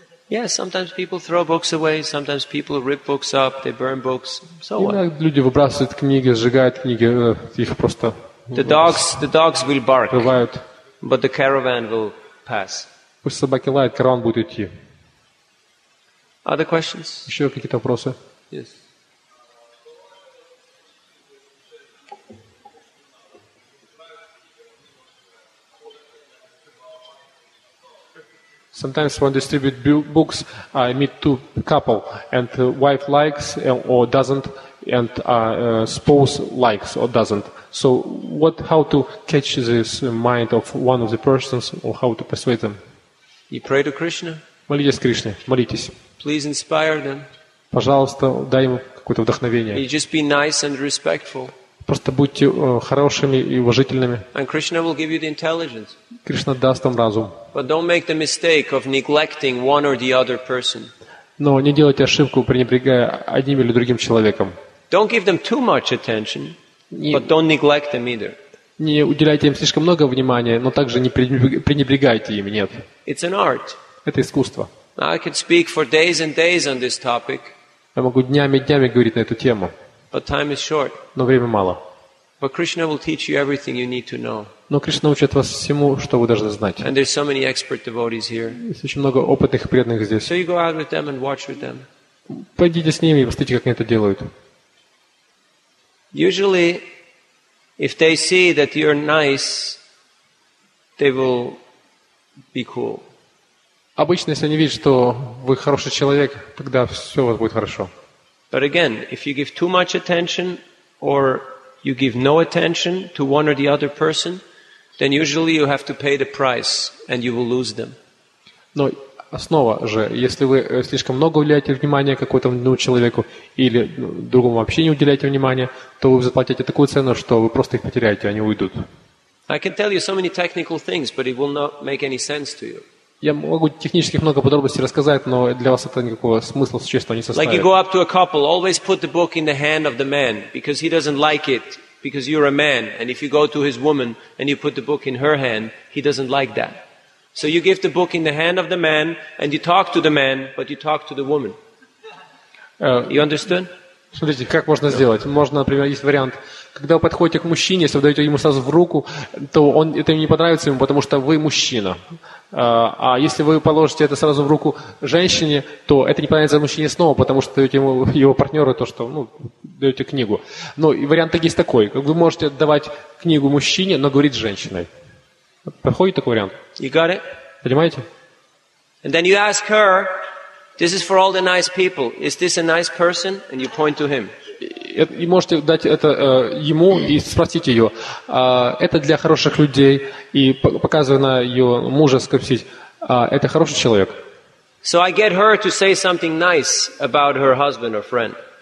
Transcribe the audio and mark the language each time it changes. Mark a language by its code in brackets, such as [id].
[en] Yeah, sometimes people throw books away, sometimes people rip books up, they burn books. So what? [ru] Иногда люди выбрасывают книги, сжигают книги, их просто. [en] The dogs will bark. [ru] Рывают. [en] But the caravan will pass. [ru] Пусть собаки лают, караван будет идти. [en] Other questions? [ru] Еще какие-то вопросы? [en] Yes. Sometimes when distribute books, I meet two couple, and wife likes or doesn't, and spouse likes or doesn't. So, how to catch this mind of one of the persons, or how to persuade them? You pray to Krishna. [ru] Молитесь Кришне. Молитесь. [en] Please inspire them. [ru] Пожалуйста, дай им какое-то вдохновение. [en] You just be nice and respectful. [ru] Просто будьте хорошими и уважительными. [en] And Krishna will give you the intelligence. [ru] Кришна даст вам разум. [en] But don't make the mistake of neglecting one or the other person. [ru] Но не делайте ошибку, пренебрегая одним или другим человеком. [en] Don't give them too much attention, but don't neglect them either. [ru] Не уделяйте им слишком много внимания, но также не пренебрегайте им, нет. [en] It's an art. [ru] Это искусство. [en] I could speak for days and days on this topic. [ru] Я могу днями и днями говорить на эту тему. [en] But time is short. [ru] Но время мало. [en] But Krishna will teach you everything you need to know. [ru] Но Кришна учит вас всему, что вы должны знать. [en] And there's so many expert devotees here. [ru] Есть очень много опытных и преданных здесь. [en] So you go out with them and watch with them. [ru] Пойдите с ними и посмотрите, как они это делают. [en] Usually, if they see that you're nice, they will be cool. [ru] Обычно, если они видят, что вы хороший человек, тогда все у вас будет хорошо. [en] But again, if you give too much attention or you give no attention to one or the other person, then usually you have to pay the price and you will lose them. [ru] Но основа же, если вы слишком много уделяете внимания какому-то одному человеку или другому вообще не уделяете внимания, то вы заплатите такую цену, что вы просто их потеряете, они уйдут. [en] I can tell you so many technical things, but it will not make any sense to you. [ru] Я могу технически много подробностей рассказать, но для вас это никакого смысла существенного не составит. [en] Like you go up to a couple, always put the book in the hand of the man because he doesn't like it. Because you're a man, and if you go to his woman and you put the book in her hand, he doesn't like that. So you give the book in the hand of the man, and you talk to the man, but you talk to the woman. You understand? [ru] Смотрите, как можно сделать? Можно, например, есть вариант. Когда вы подходите к мужчине, если вы даете ему сразу в руку, то он это ему не понравится, потому что вы мужчина. А если вы положите это сразу в руку женщине, то это не понравится мужчине снова, потому что даете ему, его партнеру, то, что ну, даете книгу. Но вариант есть такой. Вы можете давать книгу мужчине, но говорить с женщиной. Проходит такой вариант? [en] You got it? [ru] Понимаете? [en] And then you ask her, this is for all the nice people. Is this a nice person? And you point to him. [ru] И можете дать это ему и спросить ее. Это для хороших людей. И показывая на ее мужа, спросить, это хороший человек. [en] So I get her to say something nice about her husband or friend.